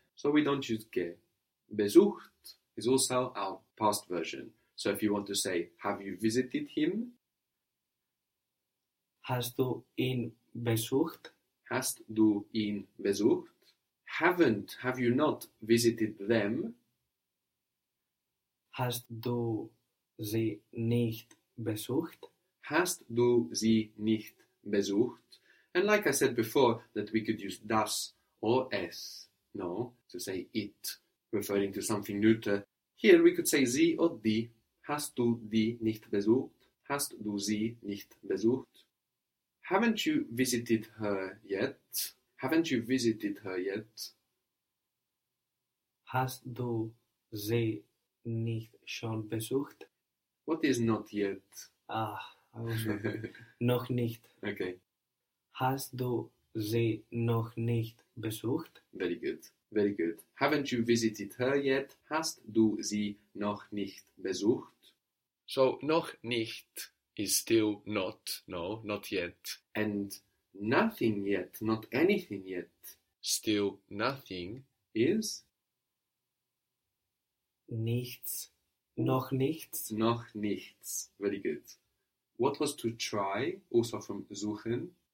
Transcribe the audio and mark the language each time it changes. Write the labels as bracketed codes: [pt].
[en] So we don't use ge. Besucht is also our past version. So if you want to say, have you visited him? [de] Hast du ihn besucht? Hast du ihn besucht? [en] Haven't, have you not visited them? [de] Hast du sie nicht besucht? Hast du sie nicht besucht? [en] And like I said before, that we could use das or es, no, to say it, referring to something neuter. Here we could say sie or die. [de] Hast du die nicht besucht? Hast du sie nicht besucht? [en] Haven't you visited her yet? Haven't you visited her yet? [de] Hast du sie nicht schon besucht? [en] What is not yet? Ah, I was wondering. [de] Noch nicht. [en] Okay. [de] Hast du sie noch nicht besucht? [en] Very good. Very good. Haven't you visited her yet? [de] Hast du sie noch nicht besucht? [en] So, noch nicht is still not, no, not yet. And nothing yet, not anything yet. Still nothing is? [de] Nichts. Noch nichts. Noch nichts. [en] Very good. What was to try, also from suchen?